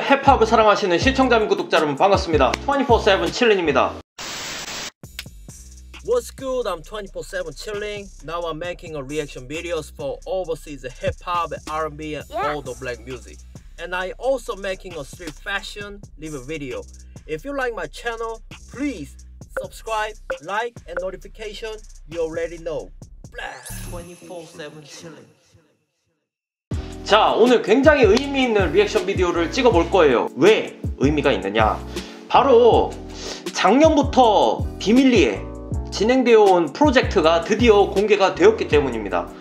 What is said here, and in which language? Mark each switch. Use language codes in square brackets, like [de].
[ko] 헵하고 사랑하시는 시청자님, 구독자 여러분 반갑습니다. 24/7 chilling입니다. [en] What's good? I'm 24/7 chilling. Now I'm making a reaction videos for overseas hip hop, R&B, and all the black music. And I also making a street fashion live video. If you like my channel, please subscribe, like, and notification. You already know. Blast. 24/7 chilling. [ko] 자, 오늘 굉장히 의미 있는 리액션 비디오를 찍어볼 거예요. 왜 의미가 있느냐? 바로 작년부터 비밀리에 진행되어 온 프로젝트가 드디어 공개가 되었기 때문입니다.